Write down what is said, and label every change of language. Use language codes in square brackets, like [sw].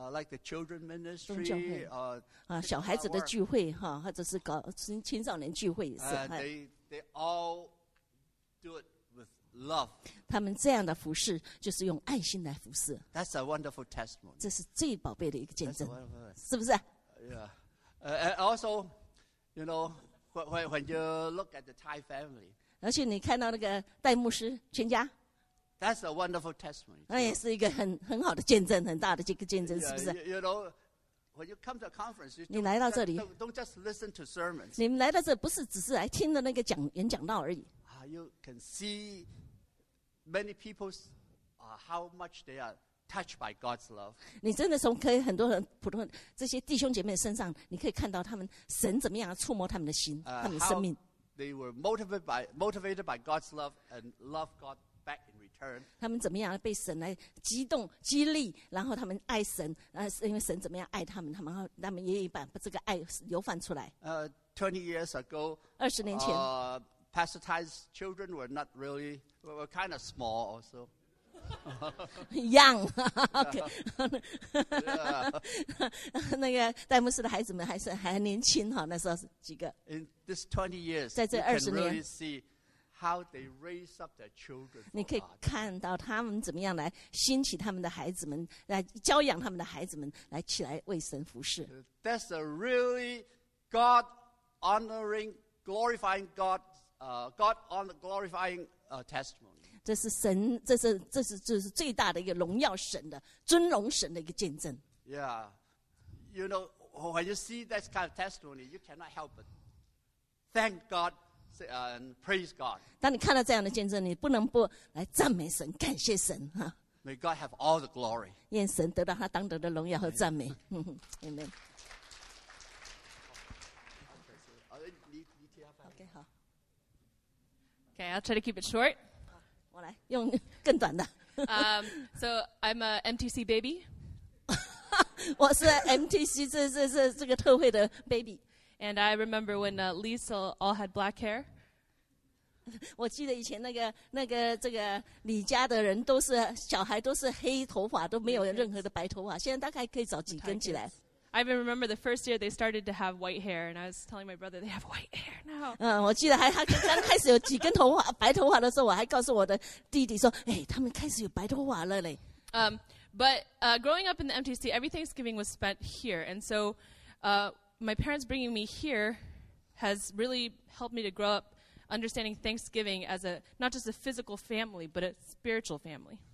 [en] Like the children ministry, [zh] 小孩子的聚会哈，或者是搞青少年聚会也是。 [en] They all do it with love. [zh] 他们这样的服侍就是用爱心来服侍。 [en] That's a wonderful testimony. [zh] 这是最宝贝的一个见证，是不是？ [en] Yeah. Also, you know, when you look at the Thai family, [zh] 而且你看到那个戴牧师全家。 [en] That's a wonderful testimony. [zh] 那也是一个很好的见证，很大的这个见证，是不是？ [en] You know, when you come to a conference, you [zh] 你来到这里 [en] don't just listen to sermons. [zh] 你们来到这不是只是来听的那个演讲道而已。 [en] You can see many people's how much they are touched by God's love. [zh] 你真的从可以很多人普通这些弟兄姐妹身上，你可以看到他们神怎么样触摸他们的心，他们的生命。 [en] They were motivated by God's love and love God back in return. [zh] 他们怎么样被神来激动激励，然后他们爱神，因为神怎么样爱他们，他们也把这个爱流放出来。 [en] 20 years ago, [zh] 二十年前。 [en] Pastor Tai's children were not really, were kind of small also. Young. Okay. [zh] 那个戴牧师的孩子们还是还年轻哈，那时候几个。 [en] In this 20 years, [zh] 在这二十年 [en] you can really see how they raise up their children. [zh] 你可以看到他们怎么样来兴起他们的孩子们，来教养他们的孩子们，来起来为神服事。 [en] That's a really God honoring, glorifying God. God on the glorifying testimony. [zh] 这是神，这是最大的一个荣耀神的尊荣神的一个见证。 [en] Yeah, you know when you see that kind of testimony, you cannot help but thank God and praise God. [zh] 当你看到这样的见证，你不能不来赞美神、感谢神哈。 [en] May God have all the glory. [zh] 愿神得到他当得的荣耀和赞美。 [en] Amen. [zh] Okay, 好。 [en] Okay, I'll try to keep it short. [zh] 我来用更短的。 [en] So I'm a MTC baby. [zh] 我是 MTC 这个特会的 baby. [en] And I remember when Lisa all had black hair. [zh] 我记得以前那个这个李家的人都是小孩都是黑头发都没有任何的白头发，现在大概可以找几根起来。 [en] I even remember the first year they started to have white hair, and I was telling my brother they have white hair now. [zh] 我记得还他刚开始有几根头发白头发的时候，我还告诉我的弟弟说，哎，他们开始有白头发了嘞。 [en] But growing up in the MTC, every Thanksgiving was spent here, and so my parents bringing me here has really helped me to grow up understanding Thanksgiving as a not just a physical family but a spiritual family.